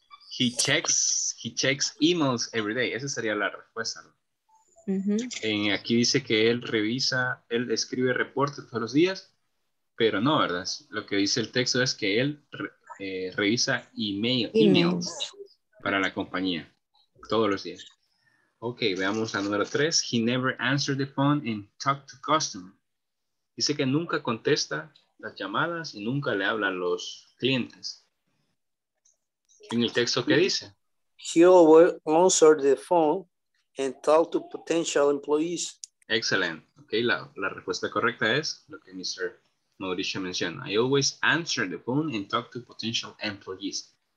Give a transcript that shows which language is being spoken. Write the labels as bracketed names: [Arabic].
[English] He checks emails every day. [Spanish] Esa sería la respuesta. Uh-huh. Aquí dice que él escribe reportes todos los días, pero no, ¿verdad? Lo que dice el texto es que él revisa emails para la compañía todos los días. [English] Okay, [Spanish] veamos la número 3. [English] He never answered the phone and talked to customers. [Spanish] Dice que nunca contesta las llamadas y nunca le habla a los clientes. ¿En el texto qué dice? [English] He always answered the phone and talked to potential employees. Excellent. [Spanish] Okay, la respuesta correcta es lo que Mr. Mauricio menciona. [English] I always answer the phone and talk to potential employees.